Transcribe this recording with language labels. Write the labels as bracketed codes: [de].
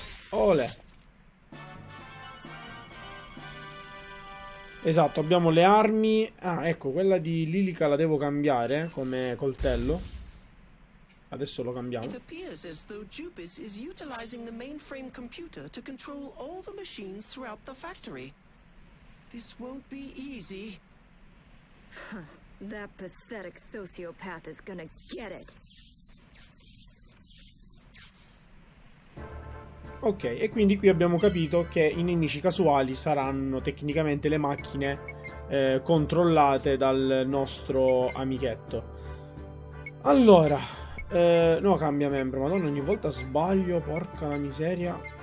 [it] Olè. Esatto, abbiamo le armi. Ah, ecco, quella di Lilica la devo cambiare come coltello. Adesso lo cambiamo. [en] It appears as though Jupis is utilizing the mainframe computer to control all the machines throughout the factory. This won't be easy. That pathetic sociopath is gonna get it. [it] Ok, e quindi qui abbiamo capito che i nemici casuali saranno tecnicamente le macchine controllate dal nostro amichetto. Allora, no, cambia membro, madonna, ogni volta sbaglio, porca la miseria.